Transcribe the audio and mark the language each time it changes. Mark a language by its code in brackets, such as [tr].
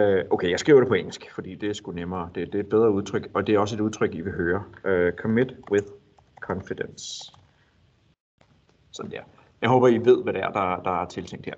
[da] Okay, jeg skriver det på engelsk, fordi det er sgu nemmere, det er et bedre udtryk, og det er også et udtryk, I vil høre. [en] Commit with confidence. [da] Sådan der. Jeg håber, I ved, hvad det er, der er tiltænkt her.